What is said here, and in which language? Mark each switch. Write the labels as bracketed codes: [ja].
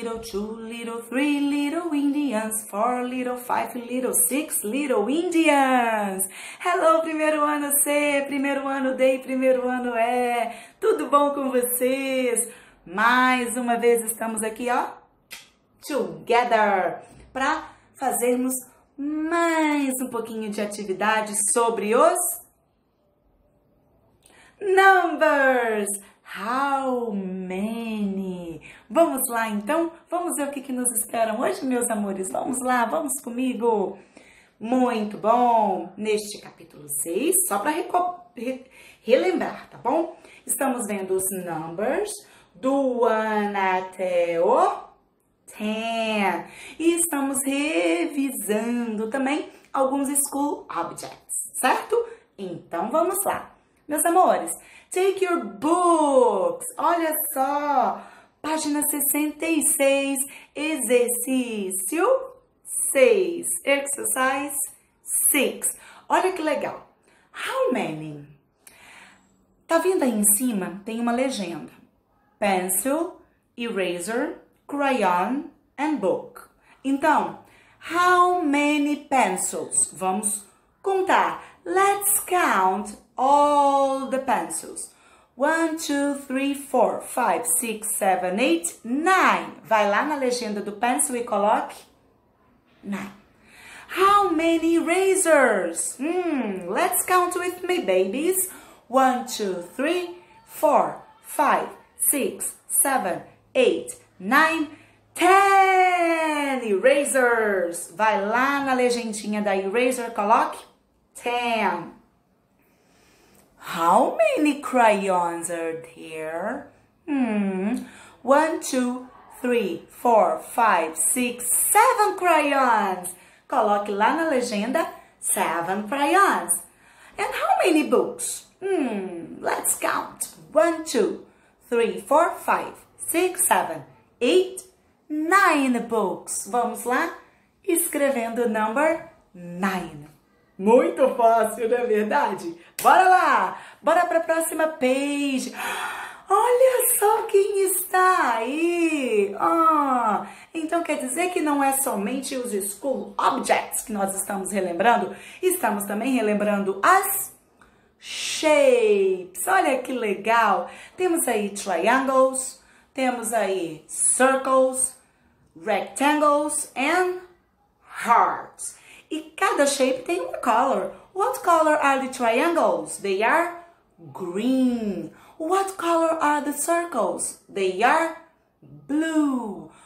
[en] two little, three little Indians, four little, five little, six little Indians. [pt] Hello, primeiro ano C, primeiro ano D, primeiro ano E. Tudo bom com vocês? Mais uma vez estamos aqui, ó, together, para fazermos mais um pouquinho de atividade sobre os numbers. [en] How many? [pt] Vamos lá, então? Vamos ver o que nos esperam hoje, meus amores? Vamos lá, vamos comigo? Muito bom! Neste capítulo 6, só para relembrar, tá bom? Estamos vendo os numbers do 1 até o 10. E estamos revisando também alguns school objects, certo? Então, vamos lá. Meus amores, [en] take your books. [pt] Olha só, página 66, exercício 6, [en] exercise 6. [pt] Olha que legal. [en] How many? [pt] Tá vendo aí em cima? Tem uma legenda. [en] Pencil, eraser, crayon and book. [pt] Então, [en] how many pencils? [pt] Vamos contar. [en] Let's count all the pencils. 1, 2, 3, 4, 5, 6, 7, 8, 9. [pt] Vai lá na legenda do pencil e coloque 9. [en] How many erasers? Let's count with me, babies. 1, 2, 3, 4, 5, 6, 7, 8, 9, 10 erasers. [pt] Vai lá na legendinha da eraser, coloque 10. [en] How many crayons are there? 1, 2, 3, 4, 5, 6, 7 crayons. [pt] Coloque lá na legenda, 7 crayons. [en] And how many books? Let's count. 1, 2, 3, 4, 5, 6, 7, 8, 9 books. [pt] Vamos lá? Escrevendo o number 9. Muito fácil, não é verdade? Bora lá! Bora para a próxima page. Olha só quem está aí. Então quer dizer que não é somente os school objects que nós estamos relembrando. Estamos também relembrando as shapes. Olha que legal. Temos aí triangles. Temos aí [en] circles, rectangles and hearts. [pt] E cada shape tem um color. [en] What color are the triangles? They are green. What color are the circles? They are blue.